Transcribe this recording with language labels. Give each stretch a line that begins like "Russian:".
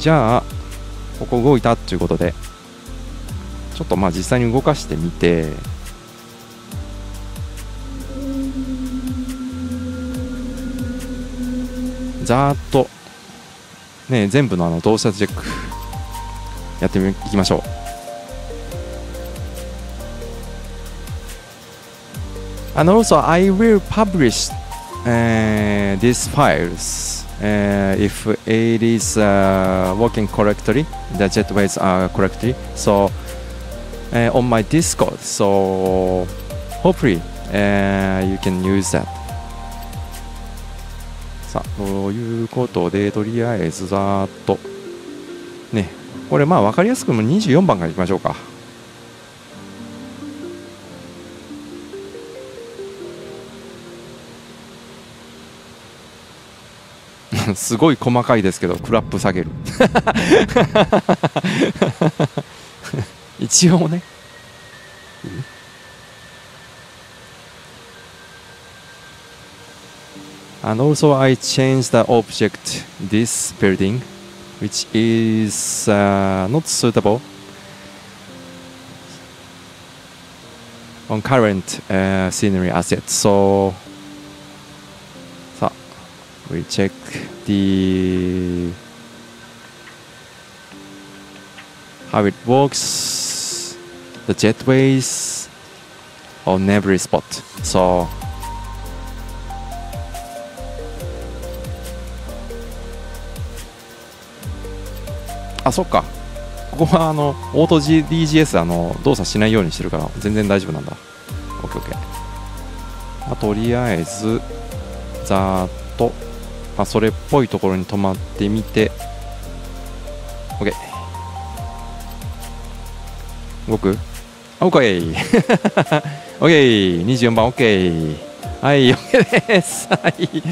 Japanese: じゃあ、ここ動いたということで、ちょっとまあ実際に動かしてみて、ざーっと、ね、全部 の、 あの動作チェックやっていきましょう。
English: And also I will publish、these files、if it is、working correctly, the jetways are correctly, so、on my Discord, so hopefully、you can use that.
Japanese: さということで、とりあえずざーっとね、これまあ分かりやすくも24番からいきましょうか。すごい細かいですけど、クラップ下げる一応ね、
English: And also I changed the object this building which is、not suitable on current、scenery asset. So, so we check the how it works, the jetways on every spot.
Japanese: So,あ、そっか、ここはあのオート DGS あの動作しないようにしてるから全然大丈夫なんだ。 OKOK、まあ、とりあえずざーっと、まあ、それっぽいところに止まってみて OK 動く OKOK24 番 OK はい OK ですはい